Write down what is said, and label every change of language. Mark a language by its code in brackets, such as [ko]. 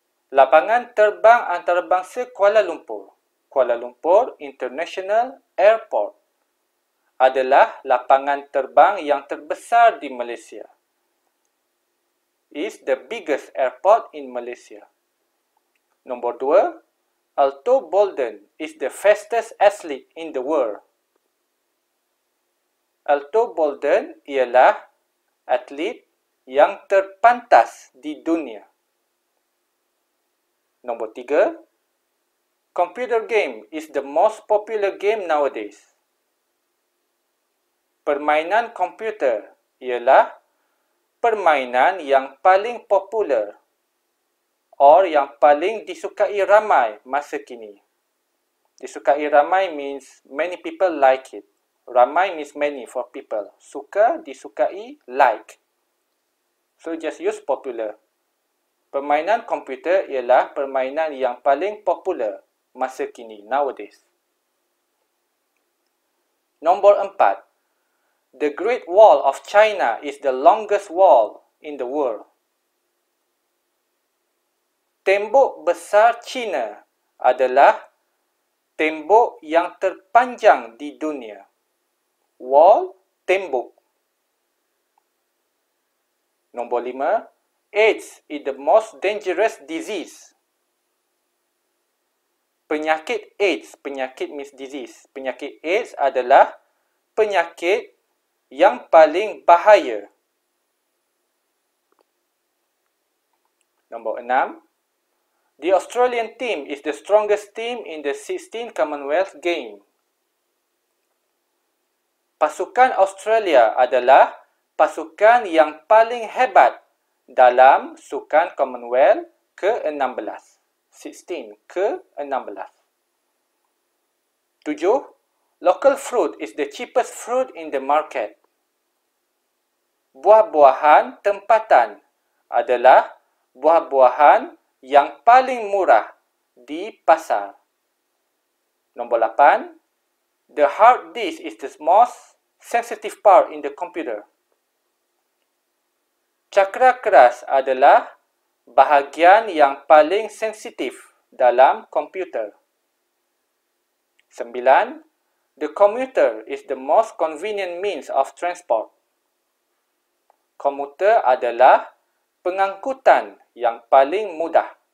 [ms] Lapangan terbang antarabangsa Kuala Lumpur, Kuala Lumpur International Airport, adalah lapangan terbang yang terbesar di Malaysia. [en] is the biggest airport in Malaysia. Number 2, Alto Bolden is the fastest athlete in the world. [ms] Alto Bolden ialah atlet yang terpantas di dunia. [en] Number 3, computer game is the most popular game nowadays. [ms] Permainan komputer ialah permainan yang paling popular or yang paling disukai ramai masa kini. [en] Disukai ramai means many people like it. Ramai means many for people. Suka, disukai, like. So just use popular. [ms] Permainan komputer ialah permainan yang paling popular masa kini, nowadays. Nombor 4. [en] The Great Wall of China is the longest wall in the world. [ms] Tembok besar China adalah tembok yang terpanjang di dunia. [en] Wall, tembok. Nombor 5. AIDS is the most dangerous disease. Penyakit AIDS, penyakit means disease. [ms] Penyakit AIDS adalah penyakit yang paling bahaya. Nombor 6. [en] The Australian team is the strongest team in the 16 Commonwealth Games. [ms] Pasukan Australia adalah pasukan yang paling hebat dalam sukan Commonwealth ke-16. 16 ke-16. 7. [en] Local fruit is the cheapest fruit in the market. [ms] Buah-buahan tempatan adalah buah-buahan yang paling murah di pasar. Nombor 8. [en] The hard disk is the most sensitive part in the computer. [ms] Cakera keras adalah bahagian yang paling sensitif dalam komputer. 9. [en] The commuter is the most convenient means of transport. [ms] Komuter adalah pengangkutan yang paling mudah.